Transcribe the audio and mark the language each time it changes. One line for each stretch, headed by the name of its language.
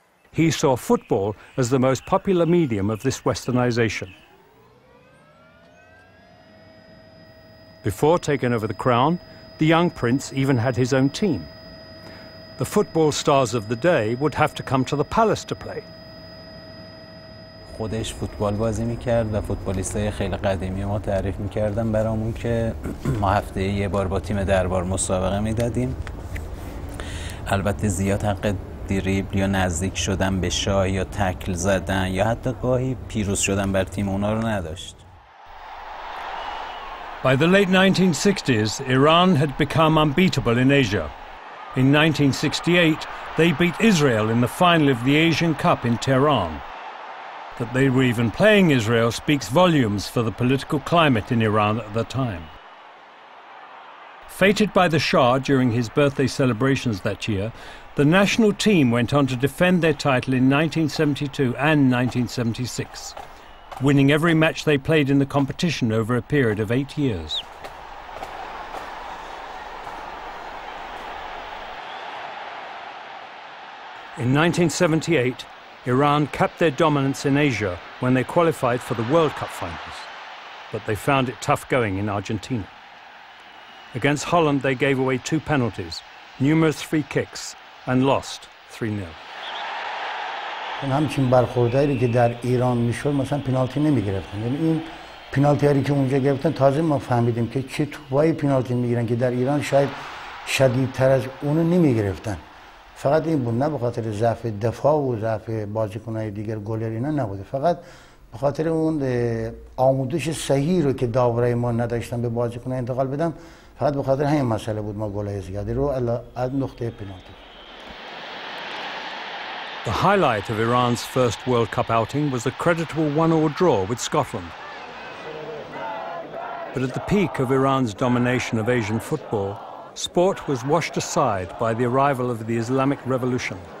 English: He saw football as the most popular medium of this westernization. Before taking over the crown, the young prince even had his own team. The football stars of the day would have to come to the palace to play.
Persian: خودش فوتبال بازی میکرد و فوتبالیستای خیلی قدیمی ما تعریف میکردن برامون که ما هفته یه بار با تیم دربار مسابقه میدادیم. البته زیاد حق دریبل یا نزدیک شدن به شاه یا تکل زدن یا حتی گاهی پیروز شدن بر تیم اونا رو نداشت.
English: By the late 1960s, Iran had become unbeatable in Asia. In 1968, they beat Israel in the final of the Asian Cup in Tehran. That they were even playing Israel speaks volumes for the political climate in Iran at the time. Fated by the Shah during his birthday celebrations that year, the national team went on to defend their title in 1972 and 1976. Winning every match they played in the competition over a period of 8 years. In 1978, Iran kept their dominance in Asia when they qualified for the World Cup finals, but they found it tough going in Argentina. Against Holland, they gave away two penalties, numerous free kicks, and lost 3-0.
Persian: همچین برخوردهایی که در ایران میشد مثلا پنالتی نمیگرفتن یعنی این پنالتی هایی که اونجا گرفتن تازه ما فهمیدیم که چه توبایی پنالتی میگیرن که در ایران شاید شدیدتر از اونو نمیگرفتن فقط این بود نه به خاطر ضعف دفاع و ضعف بازیکنهای دیگر گلر اینا نبوده فقط به خاطر اون آموزش صحیح رو که داورای ما نداشتن به بازیکنها انتقال بدن فقط به خاطر همین مسئله بود ما گلای زیادی رو از نقطه پنالتی
English: The highlight of Iran's first World Cup outing was a creditable 1-1 draw with Scotland. But at the peak of Iran's domination of Asian football, sport was washed aside by the arrival of the Islamic Revolution.